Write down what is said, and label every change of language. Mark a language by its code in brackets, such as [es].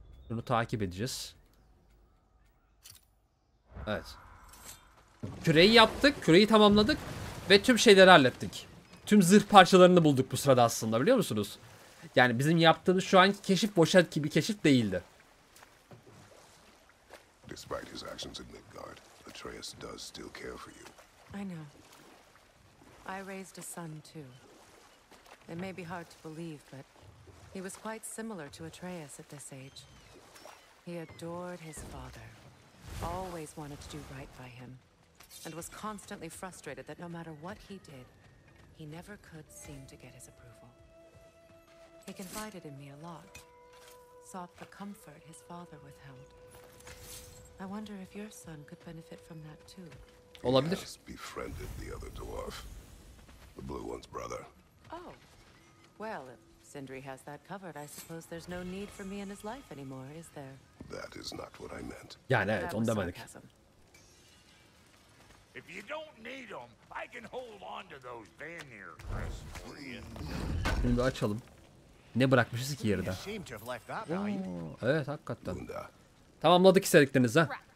[tr] Bunu takip edeceğiz. Evet. Küreyi yaptık. Küreyi tamamladık. Ve tüm şeyleri hallettik. Tüm zırh parçalarını bulduk bu sırada aslında, biliyor musunuz? Yani bizim yaptığımız şu anki keşif boşa gibi keşif değildi. [en] Despite his actions in Midgard, Atreus does still care for you. I know. I raised a son too. It may be hard to believe, but he was quite similar to Atreus at this age. He adored his father. Always wanted to do right by him and was constantly frustrated that no matter what he did, he never could seem to get his approval. He confided in me a lot, sought the comfort his father withheld. I wonder if your son could benefit from that too. [tr] Olabilir. [en] He has befriended the other dwarf, the blue one's brother. Oh, well, if Sindri has that covered, I suppose there's no need for me in his life anymore, is there? That is not what I meant. [tr] Yani evet, onu demedik. [en] If you don't need them, I can hold on to those Vanir crests for you. [tr] Şimdi bir açalım. Ne bırakmışız ki yarıda? Oo, evet, hakikaten. Tamamladık istediklerinizi ha.